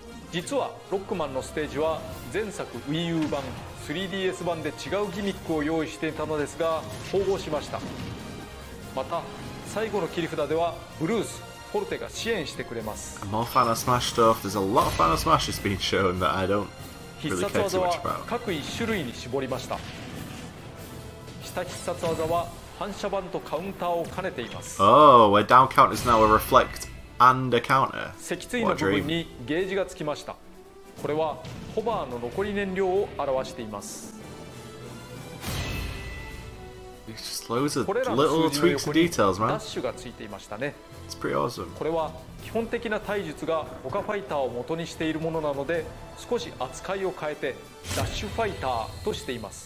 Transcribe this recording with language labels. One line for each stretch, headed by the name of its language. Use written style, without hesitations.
Japanese: 実はロックマンのステージは前作 Wii U 版、3DS 版で違うギミックを用意していたのですが、統合しました。また最後の切り札ではブルース、フォルテが支援してくれます。
English: More Fan of Smash stuff. There's a lot of Fan of Smash that's been shown that I don't really care too much about.
Japanese: 必殺技は各1種類に絞りました。下必殺技は反射板とカウンターを兼ねています。
English: Oh, where down count is now a reflect. And a counter.
Japanese: 脊椎の部分にゲージがつきました。これはホバーの残り燃料を表しています。これらの数字の横にダッシュがついていましたね。
English: It's pretty awesome.
Japanese: これは基本的な体術が他ファイターを元にしているものなので、少し扱いを変えてダッシュファイターとしています。